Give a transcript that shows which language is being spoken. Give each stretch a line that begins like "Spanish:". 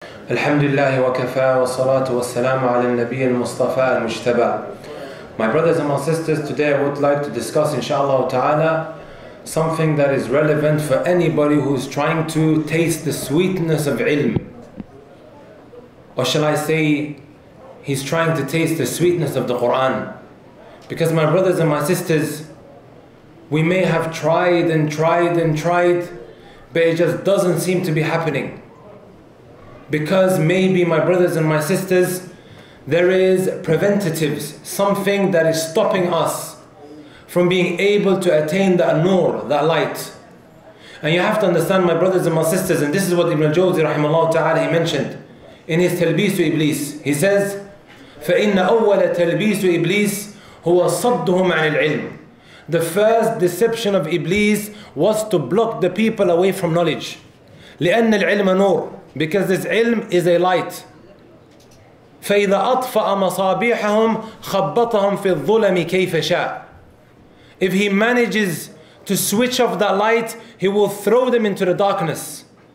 Arabic: الحمد لله وكفى والصلاة والسلام على النبي المصطفى المجتبى.
English: My brothers and my sisters, today I would like to discuss inshallah ta'ala something that is relevant for anybody who is trying to taste the sweetness of ilm. Or shall I say, he's trying to taste the sweetness of the Quran. Because my brothers and my sisters, we may have tried and tried and tried, but it just doesn't seem to be happening. Because maybe, my brothers and my sisters, there is preventatives, something that is stopping us from being able to attain that nur, that light. And you have to understand, my brothers and my sisters, and this is what Ibn al-Jawzi rahimahullah ta'ala, he mentioned in his Talbisu Iblis. He says,
Arabic: فَإِنَّ أَوَّلَ تَلْبِيسُ إِبْلِيسِ هُوَ صَدُّهُمْ عَنِ الْعِلْمِ.
English: The first deception of Iblis was to block the people away from knowledge.
Arabic: لِأَنَّ الْعِلْمَ نُورٌ.
English: Because this ilm is a light.
Arabic: فَإِذَا أَطْفَأَ مَصَابِيحَهُمْ خَبَّطَهُمْ فِي الظُّلَمِ كَيْفَ شَاءَ.
English: If he manages to switch off that light, he will throw them into the darkness.